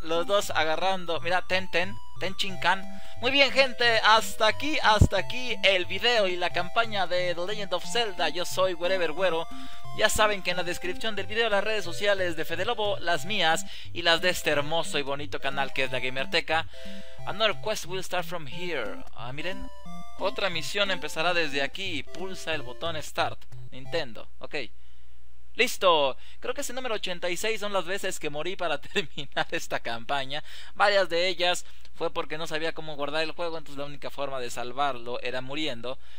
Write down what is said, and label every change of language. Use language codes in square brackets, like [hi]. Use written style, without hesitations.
[es] Los dos agarrando. Mira, Ten Chinkan. Muy bien, gente. Hasta aquí el video y la campaña de The Legend of Zelda. Yo soy Wherever Güero. Ya saben que en la descripción del video, las redes sociales de Fede Lobo, las mías y las de este hermoso y bonito canal que es la Gamerteca. [en] Another quest will start from here. [es] Miren, otra misión empezará desde aquí. Pulsa el botón Start. Nintendo, ok. ¡Listo! Creo que ese número 86 son las veces que morí para terminar esta campaña. Varias de ellas fue porque no sabía cómo guardar el juego, entonces la única forma de salvarlo era muriendo.